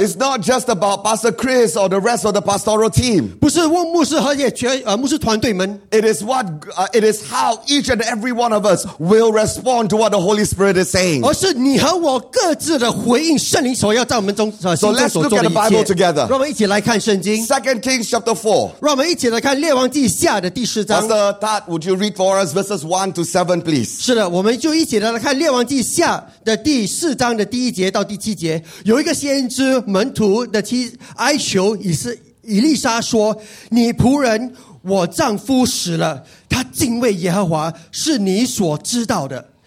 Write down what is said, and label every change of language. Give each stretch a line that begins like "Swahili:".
English: It's not just about Pastor Chris or the rest of the pastoral team.
Chinese: 不是问牧师和牧师团队们。
English: It is what, it is how each and every one of us will respond to what the Holy Spirit is saying.
Chinese: 而是你和我各自的回应圣灵所要在我们中心中所做的一切。
English: So let's look at the Bible together.
Chinese: 让我们一起来看圣经。
English: 2 Kings chapter 4.
Chinese: 让我们一起来看列王记下的第十章。
English: Pastor Todd, would you read for us verses 1 to 7, please?
Chinese: 是的，我们就一起来看列王记下的第四章的第一节到第七节。有一个先知门徒的妻哀求以斯以利沙说：“你仆人，我丈夫死了，他敬畏耶和华，是你所知道的。